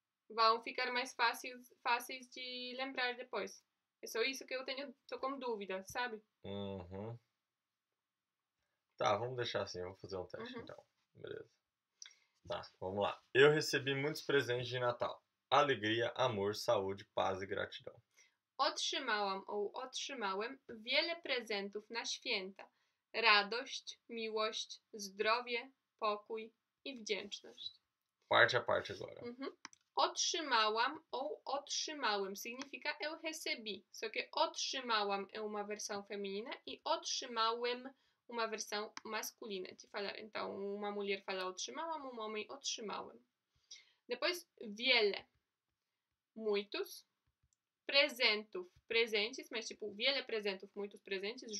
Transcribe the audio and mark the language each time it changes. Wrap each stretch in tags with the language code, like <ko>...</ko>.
<pt>Vão ficar mais fáceis de lembrar depois. É só isso que eu tenho, tô com dúvida, sabe? Uhum. Tá, vamos deixar assim, vamos fazer um teste uhum. Então. Beleza. Tá, vamos lá. Eu recebi muitos presentes de Natal. Alegria, amor, saúde, paz e gratidão.</pt> <pl>Otrzymałam ou otrzymałem wiele presentów na święta. Radość, miłość, zdrowie, pokój i wdzięczność.</pl> <pt>Parte a parte agora. Uhum.</pt> <pl>Otrzymałam ou otrzymałem</pl> <pt>significa eu recebi. Só que otrzymałam é uma versão feminina e otrzymałem uma versão masculina de falar. Então, uma mulher fala otrzymałam, um homem otrzymałem. Depois, wiele. Muitos. Presentów. Presentes, mas tipo,</pt> <pl>wiele presentów,</pl> <pt>muitos presentes.</pt>